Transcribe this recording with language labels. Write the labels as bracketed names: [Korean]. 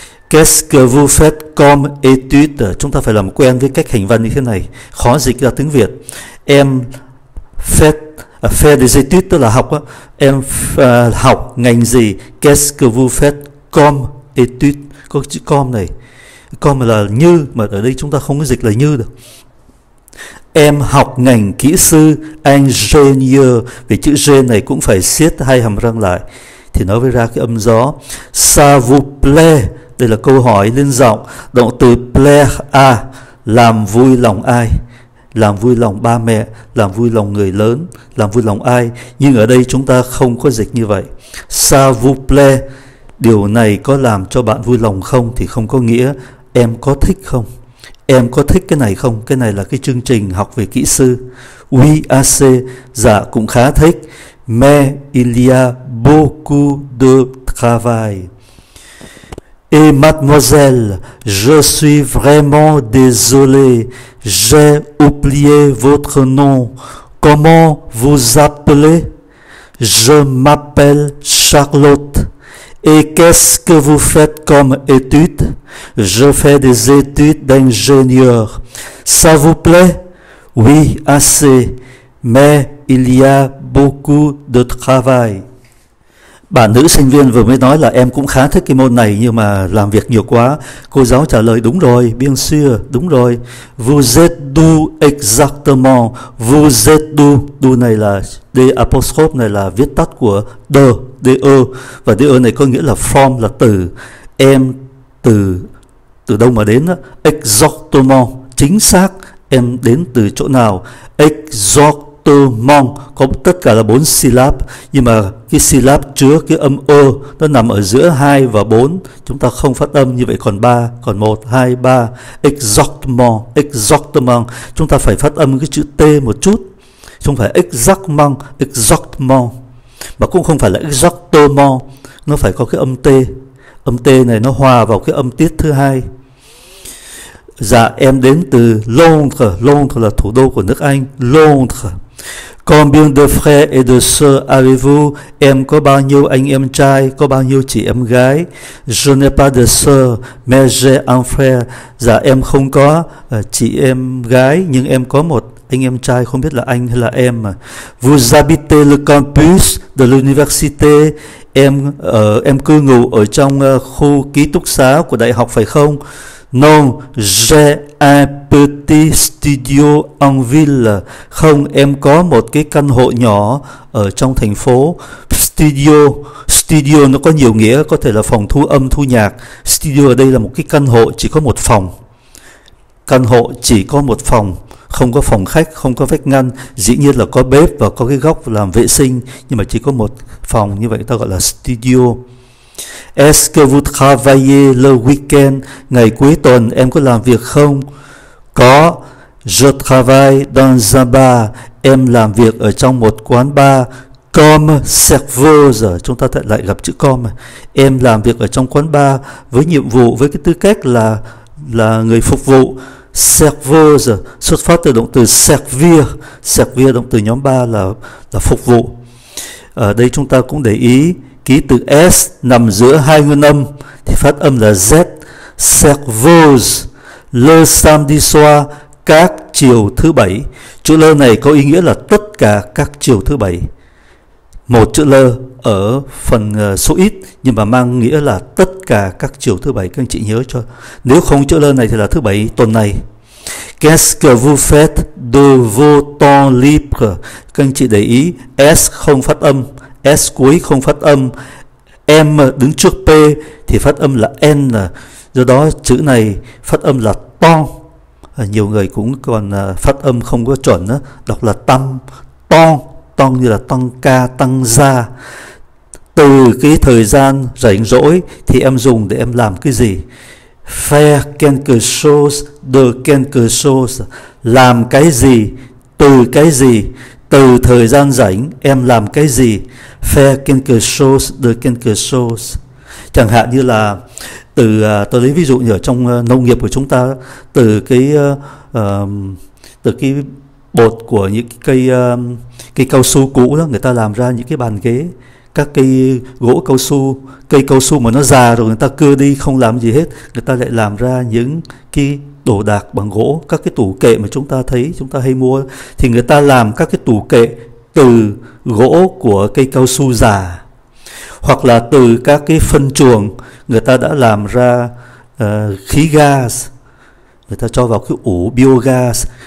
[French] Qu'est-ce que vous faites comme étude? [Vietnamese] Chúng ta phải làm quen với cách hành văn như thế này, khó dịch ra tiếng Việt. Em [French] fait, faire des études [Vietnamese] tức là học đó. Em học ngành gì? [French] Qu'est-ce que vous faites comme étude? [Vietnamese] Có chữ com này, com là như, mà ở đây chúng ta không có dịch là như được. Em học ngành kỹ sư, engineer, vì chữ G này cũng phải siết hai hàm răng lại thì nó mới ra cái âm gió. [French] Ça vous plaît, [Vietnamese] đây là câu hỏi lên giọng, động từ [French] plaît à, [Vietnamese] làm vui lòng ai? Làm vui lòng ba mẹ, làm vui lòng người lớn, làm vui lòng ai? Nhưng ở đây chúng ta không có dịch như vậy. [French] Ça vous plaît, [Vietnamese] điều này có làm cho bạn vui lòng không, thì không có nghĩa em có thích không, em có thích cái này không. Cái này là cái chương trình học về kỹ sư. [French] Oui, assez. [Vietnamese] Dạ cũng khá thích. [French] Mais il y a beaucoup de travail. Et mademoiselle, je suis vraiment désolé. J'ai oublié votre nom. Comment vous appelez? Je m'appelle Charlotte. Et qu'est-ce que vous faites comme études? Je fais des études d'ingénieur. Ça vous plaît? Oui, assez. Mais il y a beaucoup de travail. [Vietnamese] Bạn nữ sinh viên vừa mới nói là em cũng khá thích cái môn này nhưng mà làm việc nhiều quá. Cô giáo trả lời đúng rồi, [French] bien sûr, [Vietnamese] đúng rồi. [French] Vous êtes doux exactement. Vous êtes doux. [Vietnamese] Doux này là D apostrophe, này là viết tắt của de, de. Và de này có nghĩa là form, là từ. Em từ, từ đâu mà đến? Exactement, chính xác. Em đến từ chỗ nào? Exactement. Từ mong có tất cả là 4 syllab, nhưng mà cái syllab chứa cái âm ơ nó nằm ở giữa 2 và 4, chúng ta không phát âm, như vậy còn 3, còn 1, 2, 3. Exactement, exactement, chúng ta phải phát âm cái chữ T một chút, không phải exactement, exactement, mà cũng không phải là exactement, nó phải có cái âm T. Âm T này nó hòa vào cái âm tiết thứ 2. Dạ em đến từ Londres. Londres là thủ đô của nước Anh. [French] Londres. Combien de frères et de sœurs avez-vous? [Vietnamese] Em có bao nhiêu anh em trai, có bao nhiêu chị em gái? [French] Je n'ai pas de sœurs, mais j'ai un frère. [Vietnamese] Dạ em không có chị em gái, nhưng em có một anh em trai, không biết là anh hay là em. [French] Vous habitez le campus de l'université? [Vietnamese] Em cư ngụ ở trong khu ký túc xá của đại học phải không? [French] Non, j'ai un petit studio en ville. [Vietnamese] Không, em có một cái căn hộ nhỏ ở trong thành phố. Studio, studio nó có nhiều nghĩa, có thể là phòng thu âm, thu nhạc. Studio ở đây là một cái căn hộ chỉ có một phòng. Căn hộ chỉ có một phòng, không có phòng khách, không có vách ngăn. Dĩ nhiên là có bếp và có cái góc làm vệ sinh, nhưng mà chỉ có một phòng, như vậy ta gọi là studio. [French] Est-ce que vous travaillez le week-end, [Vietnamese] ngày cuối tuần, em có làm việc không? Có. [French] Je travaille dans un bar. [Vietnamese] Em làm việc ở trong một quán bar. [French] Comme serveuse. [Vietnamese] Chúng ta lại gặp chữ comme. Em làm việc ở trong quán bar với nhiệm vụ, với cái tư cách là người phục vụ. Serveuse xuất phát từ động từ servir. Servir động từ nhóm 3 là phục vụ. Ở đây chúng ta cũng để ý ký tự S nằm giữa hai nguyên âm thì phát âm là Z. [French] Serveuse. Le samedi soir, [Vietnamese] các chiều thứ bảy. Chữ le này có ý nghĩa là tất cả các chiều thứ bảy. Một chữ le ở phần số ít nhưng mà mang nghĩa là tất cả các chiều thứ bảy, các anh chị nhớ cho. Nếu không chữ le này thì là thứ bảy tuần này. [French] Qu'est-ce que vous faites de vos temps libres? [Vietnamese] Các anh chị để ý S không phát âm, S cuối không phát âm. M đứng trước P thì phát âm là N. Do đó chữ này phát âm là ton. Nhiều người cũng còn phát âm không có chuẩn đó, đọc là tâm, ton. Ton như là tăng ca, tăng gia. Từ cái thời gian rảnh rỗi thì em dùng để em làm cái gì? [French] Faire quelque chose, de quelque chose. [Vietnamese] Làm cái gì, từ cái gì, từ thời gian rảnh em làm cái gì? [French] Faire quelque chose, de quelque chose. [Vietnamese] Chẳng hạn như là từ, tôi lấy ví dụ như ở trong nông nghiệp của chúng ta, từ cái bột của những cây cây cao su cũ đó, người ta làm ra những cái bàn ghế, các cây gỗ cao su, cây cao su mà nó già rồi người ta cưa đi không làm gì hết, người ta lại làm ra những cái đồ đạc bằng gỗ, các cái tủ kệ mà chúng ta thấy, chúng ta hay mua, thì người ta làm các cái tủ kệ từ gỗ của cây cao su già, hoặc là từ các cái phân chuồng người ta đã làm ra khí gas, người ta cho vào cái ủ biogas.